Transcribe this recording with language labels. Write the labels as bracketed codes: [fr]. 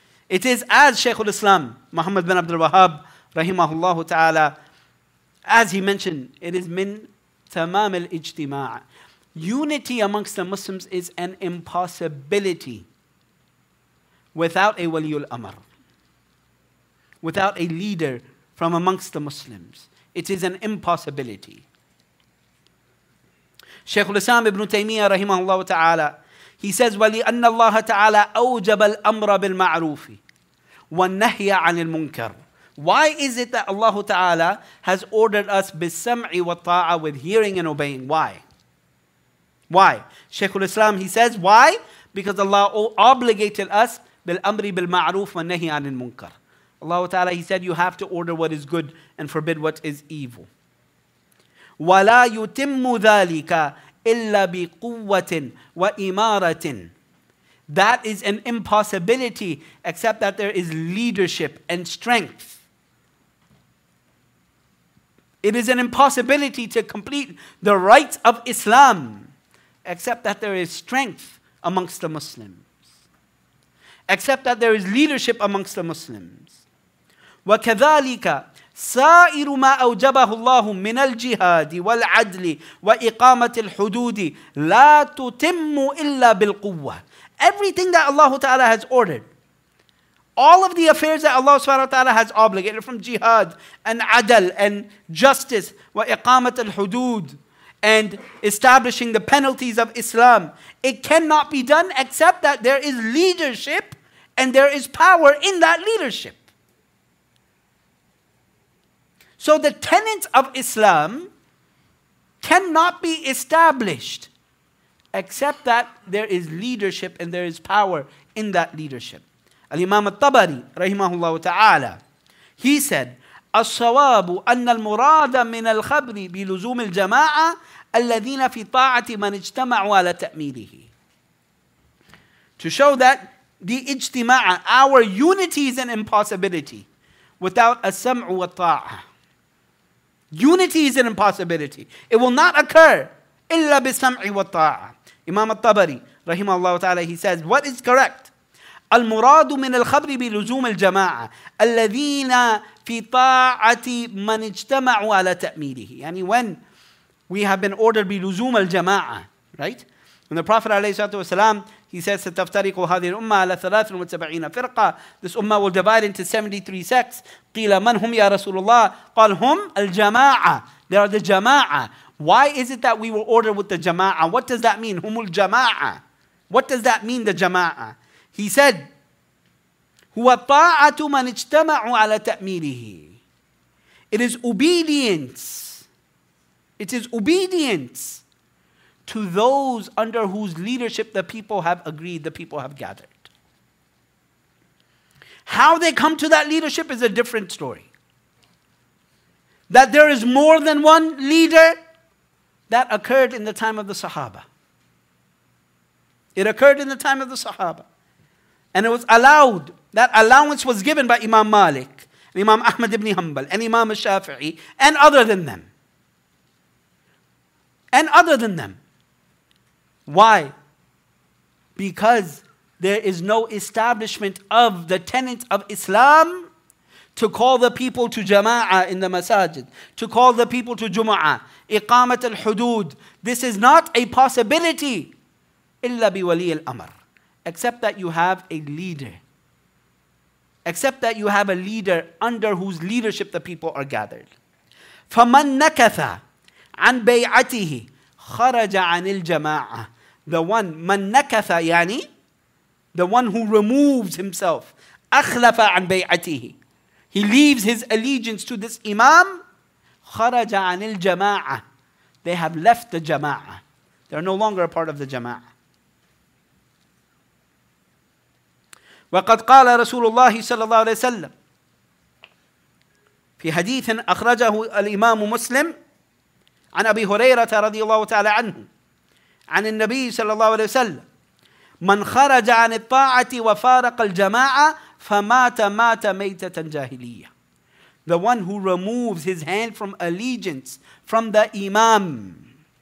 [en] It is as Shaykh al-Islam, Muhammad bin Abdul Wahhab, rahimahullah ta'ala, as he mentioned, it is [ar] min tamam al-ijtima'. [en] Unity amongst the Muslims is an impossibility without a waliul amr, without a leader from amongst the Muslims. It is an impossibility. Shaykh al-Islam ibn Taymiyyah, rahimahullah ta'ala, he says, [ar] وَلِأَنَّ اللَّهَ تَعَالَىٰ أَوْجَبَ الْأَمْرَ بِالْمَعْرُوفِ وَالنَّهْيَ عَنِ الْمُنْكَرِ. [en] Why is it that Allah Ta'ala has ordered us [ar] بِالسَّمْعِ وَالطَّاعَ, [en] with hearing and obeying? Why? Why? Shaykh al-Islam, he says, why? Because Allah obligated us [ar] بِالْأَمْرِ بِالْمَعْرُوفِ وَالنَّهْيَ عَنِ الْمُنْكَرِ. [en] Allah Ta'ala, he said, you have to order what is good and forbid what is evil. [ar] وَلَا يُتِمُّ ذَلِكَ إِلَّا بِقُوَّةٍ وَإِمَارَةٍ. [en] That is an impossibility, except that there is leadership and strength. It is an impossibility to complete the rights of Islam, except that there is strength amongst the Muslims. Except that there is leadership amongst the Muslims. [ar] وَكَذَلِكَ سائر ما أوجبه الله من الجهاد والعدل وإقامة الحدود لا تتم إلا بالقوة. [en] Everything that Allah Ta'ala has ordered, all of the affairs that Allah Subhanahu wa Ta'ala has obligated, from jihad and adl and justice, [ar] وإقامة الحدود, [en] and establishing the penalties of Islam, it cannot be done except that there is leadership and there is power in that leadership. So the tenets of Islam cannot be established except that there is leadership and there is power in that leadership. Al-Imam al-Tabari, rahimahullah ta'ala, he said, [ar] الصواب أن المراد من الخبر بلزوم الجماعة الذين في طاعة من اجتمعوا على تأميره. [en] To show that the ijtima'a, our unity, is an impossibility without as-sam'u wa ta'a. Unity is an impossibility. It will not occur. [ar] إِلَّا بِالسَّمْعِ وَالطَّاعَةِ. [en] Imam al-Tabari, rahimahullah ta'ala, he says, what is correct? [ar] الْمُرَادُ مِنَ الْخَبْرِ بِلُزُومِ الْجَمَاعَةِ الَّذِينَ فِي طَاعَةِ مَنْ اجْتَمَعُوا عَلَى تَأْمِيرِهِ. [en] Yani when we have been ordered [ar] بِلُزُومِ الْجَمَاعَةِ, [en] right? When the Prophet alayhi salatu wasalam, he says, [ar] سَتَفْتَرِقُ هَذِهِ الْأُمَّةِ عَلَى 73 فِرْقَةً. [en] This ummah will divide into 73 sects. [ar] قِيلَ مَنْ هُمْ يَا رَسُولُ اللَّهِ قَالْ هُمْ الْجَمَاعَةِ. [en] They are the jama'ah. Why is it that we were ordered with the jama'ah? What does that mean? [ar] هُمُ الْجَمَاعَةِ. [en] What does that mean, the jama'ah? He said, [ar] هُوَ طَاعَةُ مَنْ اجْتَمَعُوا عَلَى تَأْمِيرِهِ. [en] It is obedience. It is obedience to those under whose leadership the people have agreed, the people have gathered. How they come to that leadership is a different story. That there is more than one leader, that occurred in the time of the Sahaba. It occurred in the time of the Sahaba. And it was allowed, that allowance was given by Imam Malik, and Imam Ahmad ibn Hanbal, and Imam al-Shafi'i, and other than them. And other than them. Why? Because there is no establishment of the tenet of Islam to call the people to jama'ah in the masajid, to call the people to jumu'ah, iqamat al-hudud. This is not a possibility. [ar] Illa bi wali al-amr. [en] Except that you have a leader. Except that you have a leader under whose leadership the people are gathered. [ar] فَمَنْ نَكَثَ عَنْ بَيْعَتِهِ خَرَجَ عَنِ الْجَمَاعَةِ [en] The one, [ar] مَنْ نَكَثَ يعني, [en] the one who removes himself. [ar] أَخْلَفَ عَنْ بَيْعَتِهِ [en] He leaves his allegiance to this imam. [ar] خَرَجَ عَنِ الْجَمَاعَةِ [en] They have left the jama'ah. They are no longer a part of the jama'ah. [ar] وَقَدْ قَالَ رَسُولُ اللَّهِ صَلَّى اللَّهُ عَلَيْهِ وَسَلَّمُ في حديث أخرجه الإمام مسلم عن أبي هريرة رضي الله تعالى عنه عن النبي صلى الله عليه وسلم من خرج عن الطاعة وفارق الجماعة فمات مات ميتة جاهلية [en] The one who removes his hand from allegiance from the Imam